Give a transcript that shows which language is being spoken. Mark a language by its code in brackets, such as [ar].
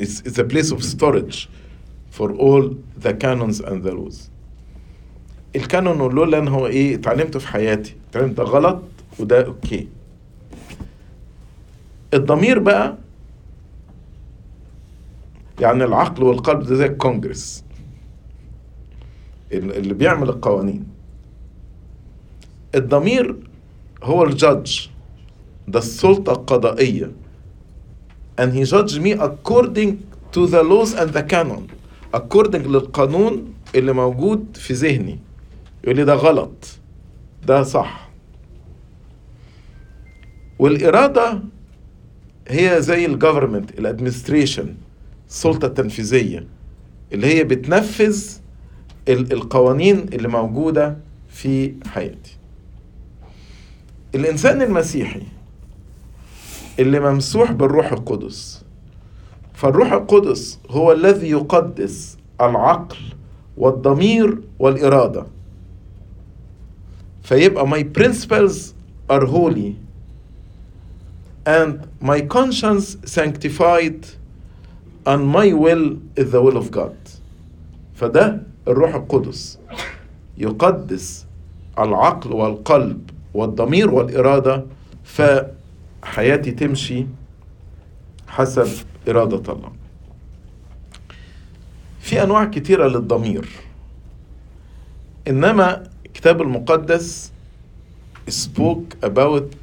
[en] It's a place of storage for all the canons and the laws. [ar] الكانون واللولا هو ايه؟ اتعلمته في حياتي، اتعلمت ده غلط وده اوكي. الضمير بقى يعني العقل والقلب ده زي الكونجرس اللي بيعمل القوانين. الضمير هو الجدج، ده السلطة القضائية. [en] And he judged me according to the laws and the canon. [ar] According للقانون اللي موجود في ذهني. يقول لي ده غلط ده صح. والإرادة هي زي الجوفرمنت الادمنستريشن، السلطة التنفيذية اللي هي بتنفذ القوانين اللي موجودة في حياتي. الإنسان المسيحي اللي ممسوح بالروح القدس، فالروح القدس هو الذي يقدس العقل والضمير والإرادة. [en] فيبقى my principles are holy and my conscience sanctified and my will is the will of God. [ar] فده الروح القدس يقدس العقل والقلب والضمير والإرادة، فحياتي تمشي حسب إرادة الله. في أنواع كتيرة للضمير، إنما الكتاب المقدس [en] spoke about